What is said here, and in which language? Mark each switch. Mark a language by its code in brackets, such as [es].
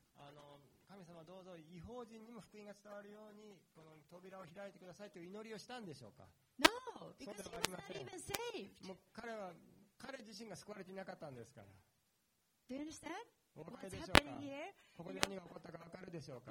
[ja] あの神様どうぞ異邦人にも福音が伝わるようにこの扉を開いてくださいという祈りをしたんでしょうか。 [en] No, because he was not even saved. [ja] もう彼自身が救われていなかったんですから。 [en] Do you understand? What's happening here? [ja] ここで何が起こったか分かるでしょうか。